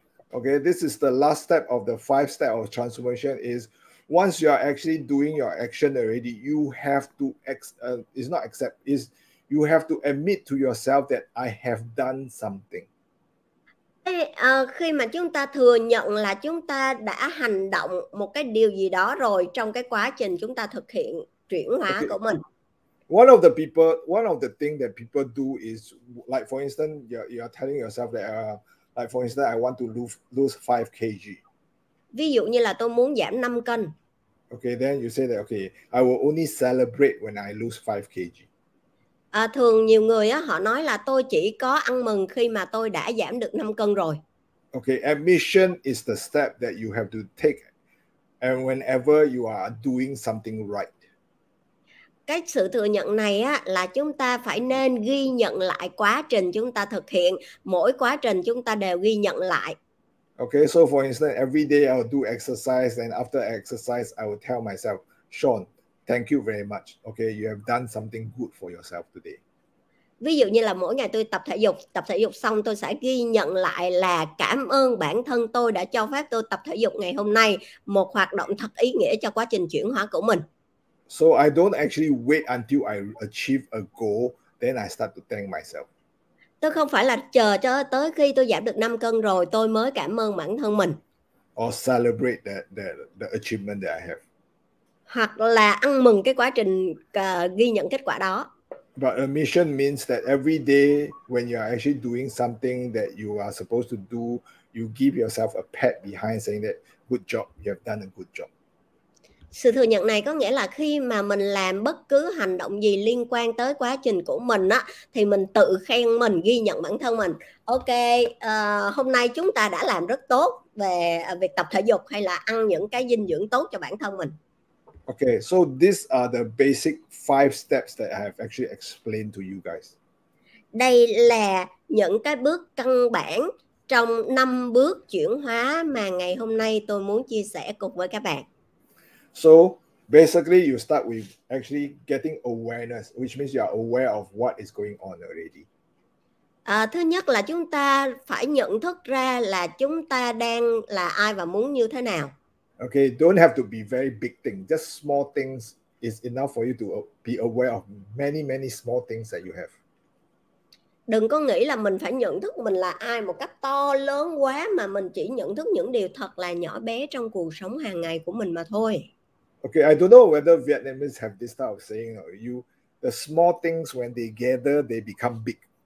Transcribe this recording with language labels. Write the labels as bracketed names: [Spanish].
[English] Okay, this is the last step of the five step of transformation is once you are actually doing your action already, you have to ex it's not accept is you have to admit to yourself that I have done something. [Vietnamese] Khi mà chúng ta thừa nhận là chúng ta đã hành động một cái điều gì đó rồi trong cái quá trình chúng ta thực hiện chuyển hóa Okay. của mình. [English] One of the things that people do is like for instance, you're telling yourself that like for instance, I want to lose 5 kg. [Vietnamese] Ví dụ như là tôi muốn giảm 5 cân. [English] Okay, then you say that okay, I will only celebrate when I lose 5 kg. [Vietnamese] Thường nhiều người á, họ nói là tôi chỉ có ăn mừng khi mà tôi đã giảm được 5 cân rồi. [English] Okay, admission is the step that you have to take and whenever you are doing something right. [Vietnamese] Cái sự thừa nhận này á, là chúng ta phải nên ghi nhận lại quá trình chúng ta thực hiện. Mỗi quá trình chúng ta đều ghi nhận lại. [English] Okay, so for instance, every day I'll do exercise, and after exercise, I will tell myself, Sean, thank you very much. Okay, you have done something good for yourself today. [Vietnamese] Ví dụ như là mỗi ngày tôi tập thể dục xong tôi sẽ ghi nhận lại là cảm ơn bản thân tôi đã cho phép tôi tập thể dục ngày hôm nay, một hoạt động thật ý nghĩa cho quá trình chuyển hóa của mình. [English] So I don't actually wait until I achieve a goal, then I start to thank myself. [Vietnamese] Tôi không phải là chờ cho tới khi tôi giảm được 5 cân rồi tôi mới cảm ơn bản thân mình. [English] Or celebrate the achievement that I have. [Vietnamese] Hoặc là ăn mừng cái quá trình ghi nhận kết quả đó. [English] But a mission means that every day when you are actually doing something that you are supposed to do, you give yourself a pat behind saying that good job, you have done a good job. [Vietnamese] Sự thừa nhận này có nghĩa là khi mà mình làm bất cứ hành động gì liên quan tới quá trình của mình á, thì mình tự khen mình, ghi nhận bản thân mình. Ok, hôm nay chúng ta đã làm rất tốt về việc tập thể dục hay là ăn những cái dinh dưỡng tốt cho bản thân mình. [English] Okay, so these are the basic five steps that I have actually explained to you guys. [Vietnamese] Đây là những cái bước căn bản trong 5 bước chuyển hóa mà ngày hôm nay tôi muốn chia sẻ cùng với các bạn. [English] So basically, you start with actually getting awareness, which means you are aware of what is going on already. [Vietnamese] Thứ nhất là chúng ta phải nhận thức ra là chúng ta đang là ai và muốn như thế nào. [English] Okay, don't have to be very big thing. Just small things is enough for you to be aware of many, many small things that you have. [Vietnamese] Đừng có nghĩ là mình phải nhận thức mình là ai một cách to lớn quá mà mình chỉ nhận thức những điều thật là nhỏ bé trong cuộc sống hàng ngày của mình mà thôi. [English] Okay, I don't know whether Vietnamese have this type of saying or you. The small things when they gather, they become big.